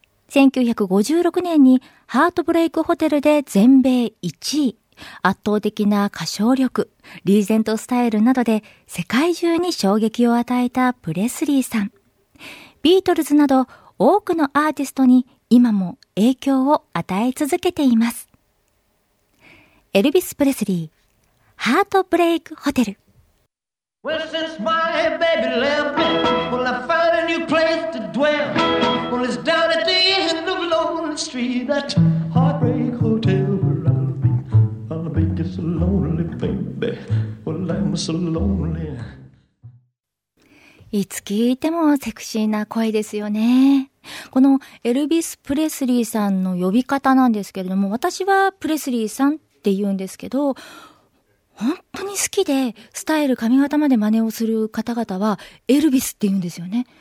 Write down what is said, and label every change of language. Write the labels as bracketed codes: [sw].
[ja] 1956年にハートブレイクホテルで全米1位、圧倒的な歌唱力、リーゼントスタイルなどで世界中に衝撃を与えたプレスリーさん。ビートルズなど多くのアーティストに今も影響を与え続けています。エルビス・プレスリー、ハートブレイクホテル。 [en] Well, since my baby left me, well, I found a new place to dwell. Well, it's down at the end of Lonely Street, that heartbreak hotel where I'll be. I'll be just a lonely baby. Well, I'm so lonely. [ja] いつ聞いてもセクシーな声ですよね。このエルビス・プレスリーさんの呼び方なんですけれども、私はプレスリーさんって言うんですけど、本当に好きでスタイル髪型まで真似をする方々はエルビスって言うんですよね。